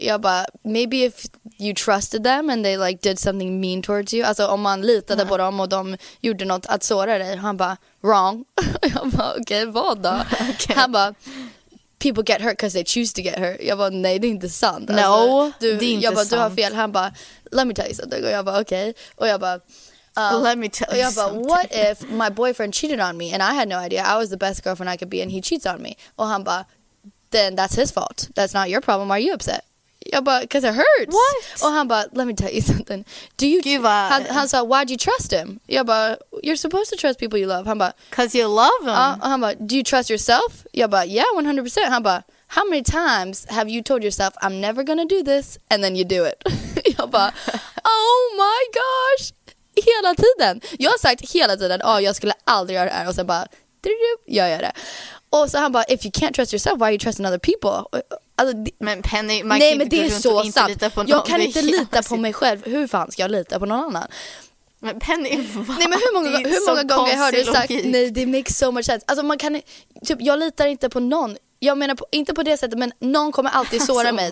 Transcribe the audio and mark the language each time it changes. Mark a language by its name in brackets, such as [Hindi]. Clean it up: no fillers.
[Swedish] Jag bara, [English] maybe if you trusted them and they like did something mean towards you. [Swedish] Alltså om man litade på dem och de gjorde något att såra dig. Han bara, [English] wrong. [Swedish] Jag bara, okej, vad då? Okay. Han bara, [English] people get hurt because they choose to get hurt. [Swedish] Jag bara, nej, det är inte sant. No, alltså, du, det är inte jag bara, sant. Du har fel. Han bara, [English] let me tell you something. [Swedish] Och jag bara, okej. Okay. Och jag bara, [English] let me tell [Swedish] och jag [English] you something. Bara, what if my boyfriend cheated on me and I had no idea. I was the best girlfriend I could be and he cheats on me. [Swedish] Och han bara, [English] then that's his fault. That's not your problem. Are you upset? [Swedish] Jag bara, [English] because it hurts. What? [Swedish] Och han bara, [English] let me tell you something. Do you give up? [Swedish] Han sa, [English] why'd you trust him? [Swedish] Jag bara, [English] you're supposed to trust people you love. [Swedish] Han bara, [English] because you love them. [Swedish] Han bara, [English] do you trust yourself? [Swedish] Jag bara, [English] yeah, 100%. [Swedish] Han bara, [English] how many times have you told yourself, I'm never going to do this, and then you do it? [Swedish] Jag bara, [English] oh my gosh. [Swedish] Hela tiden. Jag har sagt hela tiden, oh, jag skulle aldrig göra det här. Och sen bara, jag gör det. Och så han bara, [English] if you can't trust yourself, why are you trusting other people? [Swedish] Alltså, men Penny, man nej, men det är så sant. Jag kan inte lita på mig själv. Hur fan ska jag lita på någon annan? Men Penny, va? Nej, men hur många gånger har du sagt, nej, det [English] makes so much sense. [Swedish] Alltså, man kan, typ, jag litar inte på någon. Jag menar, inte på det sättet, men någon kommer alltid såra alltså, mig.